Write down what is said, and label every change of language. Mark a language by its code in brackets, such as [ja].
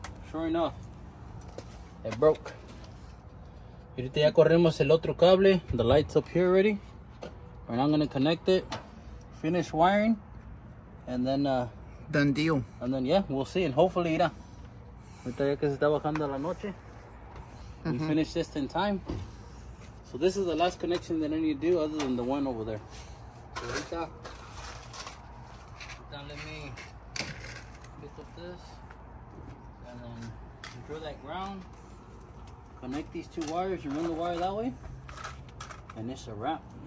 [en] Sure enough, it broke. [es] Y ahorita ya corremos el otro cable. [en] The light's up here already. And I'm gonna connect it. Finish wiring. And then, done deal. And then, yeah, we'll see. And hopefully, mira. [es] Ahorita ya que se está bajando la noche. [en] We finish this in time. So this is the last connection that I need to do other than the one over there. So ahorita. Ahorita, let me lift up this. And then, drill that ground. Connect these two wires and run the wire that way, and it's a wrap.